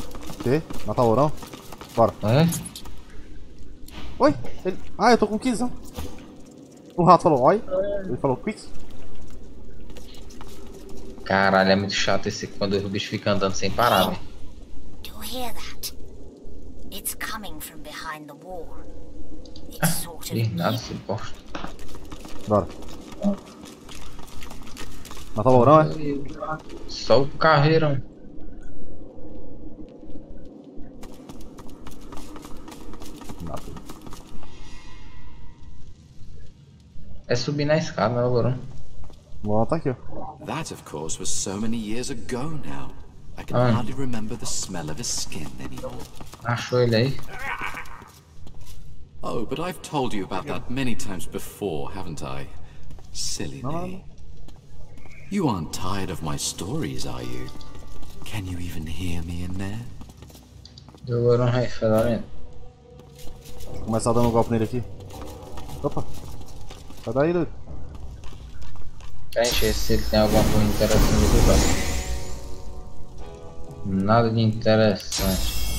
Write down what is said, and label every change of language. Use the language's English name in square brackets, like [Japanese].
[Portuguese] O quê? Matar o lourão? Bora. É? Oi! Ele... Ah, eu tô com o Kizão. O rato falou, oi. Ele falou, quick. Caralho, é muito chato esse quando o bicho fica andando sem parar, velho. Você ouviu isso? [English] It's coming from behind the wall. It's sort of. [Portuguese] Bora. Matou o lourão, é? Só o carreirão. Nada. É subir na escada, né, lourão? Bora, tá aqui, ó. [English] That, of course, was so many years ago now. I can hardly remember the smell of his skin anymore. [Portuguese] Achou ele aí? [English] Oh, but I've told you about that many times before, haven't I? Silly me. You aren't tired of my stories, are you? Can you even hear me in there? [Portuguese] Eu vou dar um referamento. Vou começar dando um golpe nele aqui. Opa! Sai daí, doido! Quer encher se ele tem alguma coisa interessante aqui, vai. Nada de interessante.